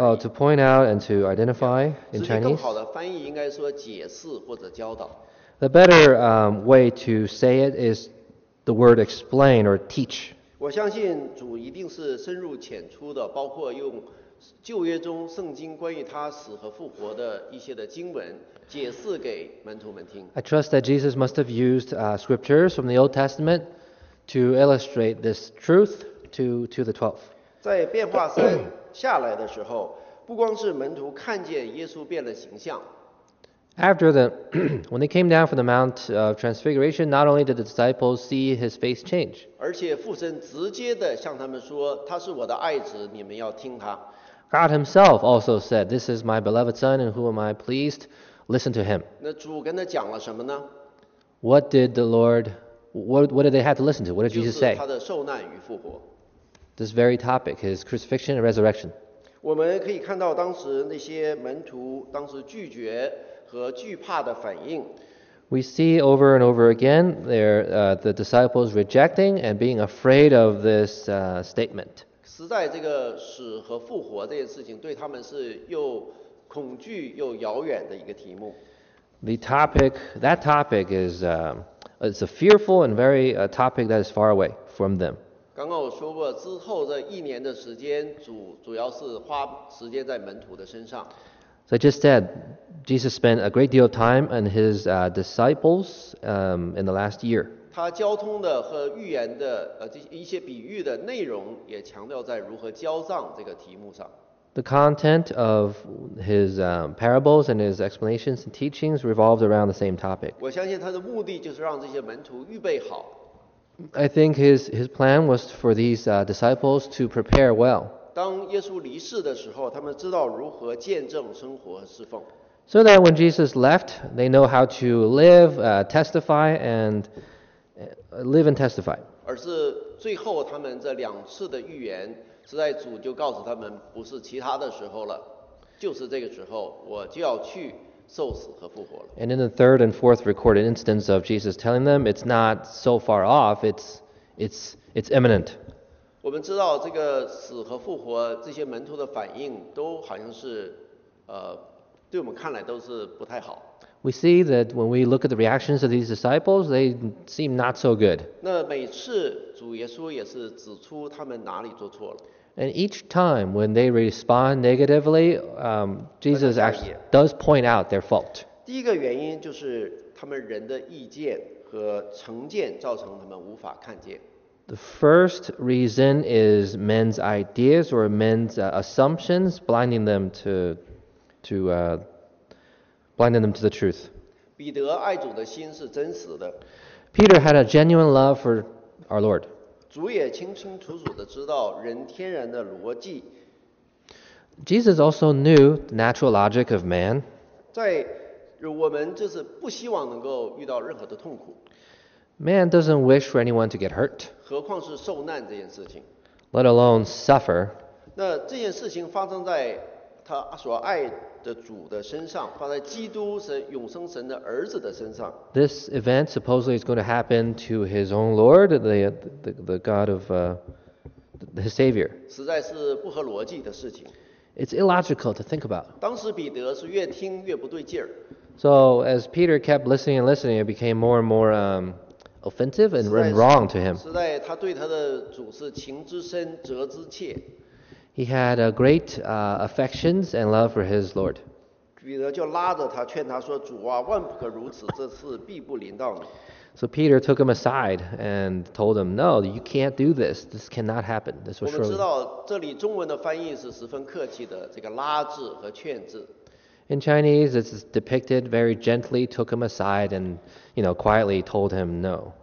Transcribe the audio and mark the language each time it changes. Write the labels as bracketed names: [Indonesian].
[English] Oh, to point out and to identify in Chinese. [Chinese] 更好的翻译应该说解释或者教导。 [English] The better way to say it is the word explain or teach. [Chinese] 我相信主一定是深入浅出的，包括用旧约中圣经关于他死和复活的一些的经文。解释给门徒们听。 [English] I trust that Jesus must have used scriptures from the Old Testament. To illustrate this truth to the twelve. [Chinese] 在变化山下来的时候，不光是门徒看见耶稣变了形象。 [English] After the when they came down from the Mount of Transfiguration, not only did the disciples see his face change. [Chinese] 而且父神直接的向他们说，他是我的爱子，你们要听他。 [English] God himself also said, "This is my beloved son, in whom I pleased. Listen to him." [Chinese] 那主跟他讲了什么呢？ [English] What did the Lord? What did they have to listen to? What did Jesus say? [Chinese] 就是他的受难与复活。 [English] This very topic, his crucifixion and resurrection. [Chinese] 我们可以看到当时那些门徒当时拒绝和惧怕的反应。 [English] We see over and over again the disciples rejecting and being afraid of this statement. [Chinese] 实在这个死和复活这件事情对他们是又恐惧又遥远的一个题目。 [English] That topic is... It's a fearful and very topic that is far away from them. [Chinese] 刚刚我说过，之后这一年的时间，主要是花时间在门徒的身上。 [English] So I just said, Jesus spent a great deal of time on his disciples in the last year. [Chinese] 他交通的和预言的这一些比喻的内容也强调在如何交账这个题目上。 [English] The content of his parables and his explanations and teachings revolves around the same topic. [Chinese] 我相信他的目的就是让这些门徒预备好。 [English] I think his plan was for these disciples to prepare well. [Chinese] 当耶稣离世的时候，他们知道如何见证生活和侍奉。 [English] So that when Jesus left, they know how to live, testify, and live and testify. [Chinese] 而是最后他们这两次的预言是在主就告诉他们不是其他的时候了，就是这个时候我就要去受死和复活了。 [English] And in the third and fourth recorded instance of Jesus telling them, it's not so far off, it's imminent. [Chinese] 我们知道这个死和复活，这些门徒的反应都好像是对我们看来都是不太好。 [English] We see that when we look at the reactions of these disciples, they seem not so good. [Chinese] 那每次主耶稣也是指出他们哪里做错了。 [English] And each time when they respond negatively, Jesus actually does point out their fault. [Chinese] 第一个原因就是他们人的意见和成见造成他们无法看见。 [English] The first reason is men's ideas or men's assumptions blinding them to the truth. [Chinese] 彼得爱主的心是真实的。 [English] Peter had a genuine love for our Lord. [Chinese] 主也清清楚楚地知道人天然的逻辑。 [English] Jesus also knew the natural logic of man. [Chinese] 在我们就是不希望能够遇到任何的痛苦。 [English] Man doesn't wish for anyone to get hurt. [Chinese] 何况是受难这件事情。 [English] Let alone suffer. [Chinese] 那这件事情发生在他所爱的主的身上，放在基督神永生神的儿子的身上。 [English] This event supposedly is going to happen to his own Lord, the God of his Savior. [Chinese] 实在是不合逻辑的事情。 [English] It's illogical to think about. [Chinese] 当时彼得是越听越不对劲儿。 [English] So as Peter kept listening and listening, it became more and more offensive and wrong to him. [Chinese] 实在他对他的主是情之深，责之切。 [English] He had a great affections and love for his Lord. [Chinese] 彼得就拉着他劝他说：“主啊，万不可如此，这事必不临到你。” [English] So Peter took him aside and told him, "No, you can't do this. This cannot happen. This was surely." [Chinese] 我们知道这里中文的翻译是十分客气的，这个拉制和劝制。 [English] In Chinese, it's depicted very gently, took him aside and, you know, quietly told him no.